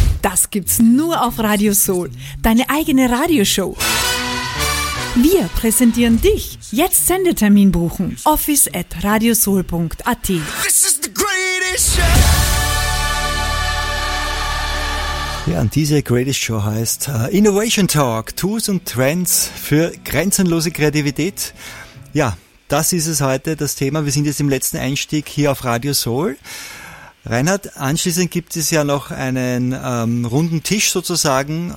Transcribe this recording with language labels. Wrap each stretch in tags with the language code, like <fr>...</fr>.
<de>Das gibt's nur auf Radio Soul. Deine eigene Radioshow. Wir präsentieren dich. Jetzt Sendetermin buchen. office@radiosoul.at.</de> <en>This is the greatest show.</en> <de>Ja, und diese Greatest Show heißt Innovation Talk, Tools und Trends für grenzenlose Kreativität. Ja, das ist es heute, das Thema. Wir sind jetzt im letzten Einstieg hier auf Radio Soul. Reinhard, anschließend gibt es ja noch einen runden Tisch sozusagen.</de>